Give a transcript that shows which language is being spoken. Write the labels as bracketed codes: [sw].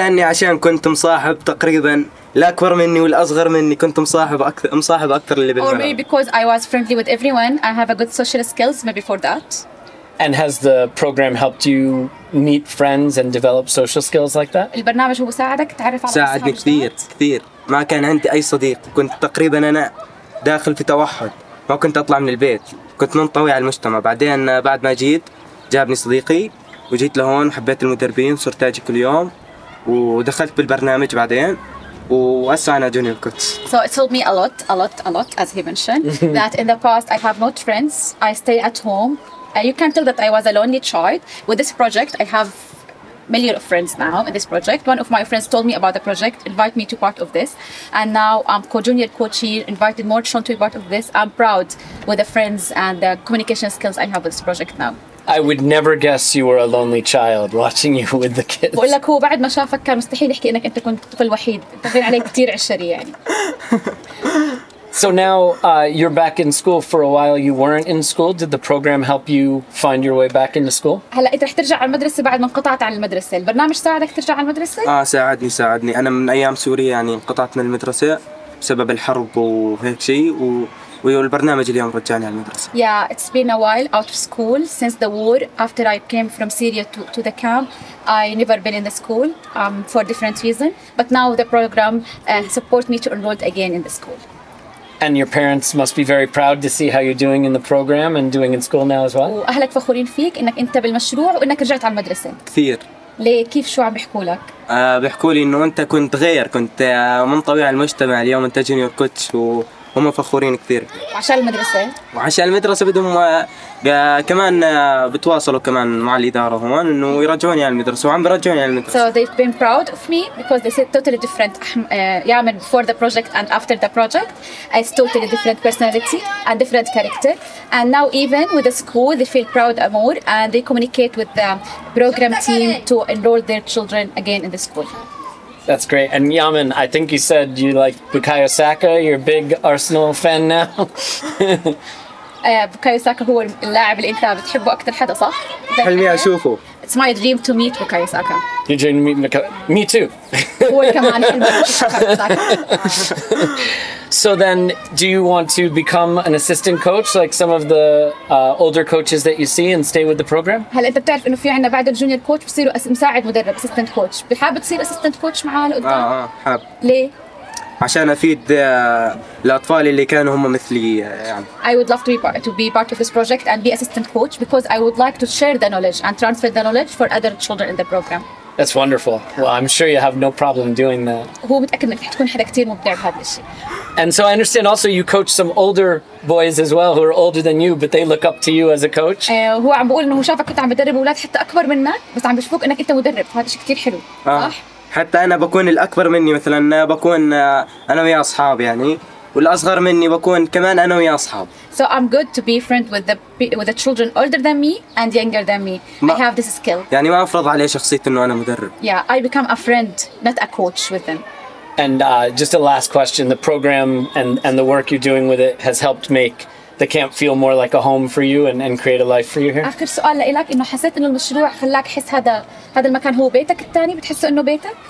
[ar] أني عشان كنت مصاحب تقريبا الأكبر مني والأصغر مني كنت مصاحب أكثر اللي بالمرة [en] or maybe because I was friendly with everyone I have a good social skills maybe for that and has the program helped you meet friends and develop social skills like that [ar] البرنامج هو ساعدك تعرف على أصحاب ساعدني كثير ما كان عندي أي صديق كنت تقريبا أنا داخل في توحد ما كنت أطلع من البيت كنت منطوي على المجتمع بعدين بعد ما جيت جابني صديقي وجيت لهون وحبيت المدربين صرت اجي كل يوم ودخلت بالبرنامج بعدين وهسه انا جونيور كوتش. [en] So it told me a lot as he mentioned that in the past I have no friends, I stay at home. You can tell that I was a lonely child. With this project I have millions of friends now in this project. One of my friends told me about the project, invited me to part of this. And now I'm co-junior coach here, invited more children to be part of this. I'm proud with the friends and the communication skills I have with this project now. I would never guess you were a lonely child watching you with the kids. [ar] بقول لك هو بعد ما شافك كان مستحيل يحكي انك انت كنت طفل وحيد، تغير عليك كثير عشري يعني. [en] So now you're back in school for a while. You weren't in school. Did the program help you find your way back into school? [ar] هلا انت رح ترجع على المدرسة بعد ما انقطعت عن المدرسة، البرنامج ساعدك ترجع على المدرسة؟ ساعدني. أنا من أيام سوريا يعني انقطعت من المدرسة بسبب الحرب وهيك شيء و والبرنامج اليوم رجعني على المدرسة. [en] Yeah, it's been a while out of school since the war. After I came from Syria to the camp, I never been in the school for different reasons. But now the program support me to enroll again in the school. And your parents must be very proud to see how you're doing in the program and doing in school now as well. [ar] وأهلك فخورين فيك إنك أنت بالمشروع وإنك رجعت على المدرسة. كثير. ليه كيف شو عم بيحكوا لك؟ بيحكوا لي إنه أنت كنت غير كنت منطوي على المجتمع اليوم أنت جونيور كوتش و. هم فخورين كثير وعشان المدرسة بدهم كمان بتواصلوا كمان مع الإدارة هون إنه يرجعوني على المدرسة وعم برجعوني على المدرسة [en] so they've been proud of me because they said totally different يعمل before the project and after the project it's totally different personality and different character and now even with the school they feel proud more and they communicate with the program team to enroll their children again in the school. That's great. And Yamin, I think you said you like Bukayo Saka. You're a big Arsenal fan now. [ar] Bukayo Saka هو اللاعب اللي انت بتحبه اكثر حدا صح؟ حلمي اشوفه. [en] It's my dream to meet Bukayo Saka. Your dream to meet me too. [ar] هو كمان حلمي اشوف Bukayo Saka. [en] So then, do you want to become an assistant coach like some of the older coaches that you see and stay with the program? [ar] هل انت بتعرف انه في عندنا بعد الجونيور كوتش بصيروا مساعد مدرب assistant coach. بحب تصير assistant coach معاه لقدام؟ حاب. ليه؟ عشان افيد الاطفال اللي كانوا هم مثلي يعني. [en] I would love to be part of this project and be assistant coach because I would like to share the knowledge and transfer the knowledge for other children in the program. That's wonderful. Well, I'm sure you have no problem doing that. [ar] هو متأكد انك حتكون حدا كثير مبدع بهذا الشيء. [en] And so I understand also you coach some older boys as well who are older than you but they look up to you as a coach. [ar] هو عم بقول انه هو شافك كنت عم بتدرب اولاد حتى اكبر منك بس عم بشوفك انك انت مدرب هذا شيء كثير حلو. صح؟ حتى انا بكون الاكبر مني مثلا بكون انا ويا اصحاب يعني والاصغر مني بكون كمان انا ويا اصحاب. [en] So I'm good to be friend with the children older than me and younger than me. I have this skill. [ar] يعني ما افرض عليه شخصيه انه انا مدرب. [en] Yeah, I become a friend not a coach with them. And just a last question, the program and the work you're doing with it has helped make the camp feel more like a home for you and create a life for you here. [ar] آخر سؤال لإلك إنه حسيت إنه المشروع خلاك حس هذا المكان هو بيتك الثاني بتحس إنه بيتك؟